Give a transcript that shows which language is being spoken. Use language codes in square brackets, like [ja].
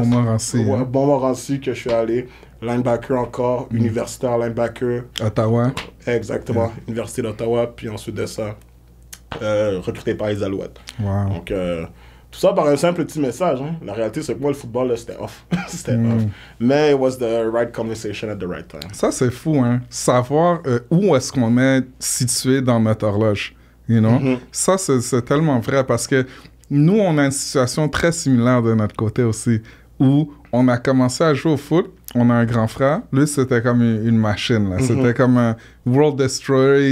[fr] Montmorency que je suis allé. Linebacker encore, universitaire linebacker. Ottawa. Exactement, Université d'Ottawa. Puis ensuite de ça, recruté par les Alouettes. Wow. Donc, tout ça par un simple petit message. Hein. La réalité, c'est que moi, le football, là, c'était off. [en] off. [fr] Mais [en] it was the right conversation at the right time. [fr] Ça, c'est fou, hein. Savoir où est-ce qu'on est situé dans notre horloge. [en] You know? [fr] Ça, c'est tellement vrai parce que nous, on a une situation très similaire de notre côté aussi où on a commencé à jouer au foot. On a un grand frère. Lui, c'était comme une machine. Là. C'était comme un [en] world destroyer.